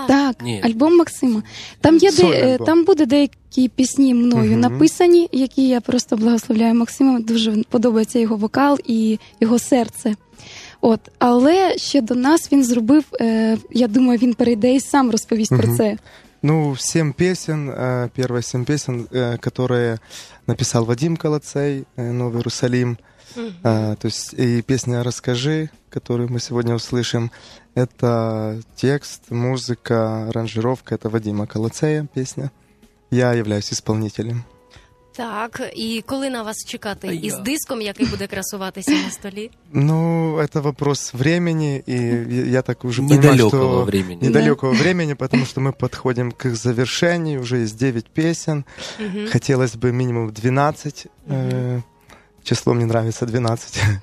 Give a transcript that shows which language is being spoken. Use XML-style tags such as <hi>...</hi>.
<uk>Так, альбом Максима. Там є там буде деякі пісні мною написані, які я просто благословляю Максима, дуже подобається його вокал і його серце. От, але ще до нас він зробив, я думаю, він перейде і сам розповість про це.</uk> <ru>Ну, 7 песен, первые 7 песен, которые написал Вадим Колоцей, «Новый Иерусалим», то есть и песня «Расскажи», которую мы сегодня услышим, это текст, музыка, аранжировка, это Вадима Колоцея песня, я являюсь исполнителем.</ru> <uk>Так, і коли на вас чекати із диском, який буде красуватися на столі? Ну, це</uk> <ru>вопрос времени,</ru> <uk>і</uk> <ru>я так уже понимаю,</ru> <uk>що</uk> <ru>недалекого времени,</ru> <uk>тому що ми підходимо к завершенню, вже є</uk> <ru>9 песен.</ru> <uk>Хотілося б мінімум 12. Число мені подобається 12.</uk>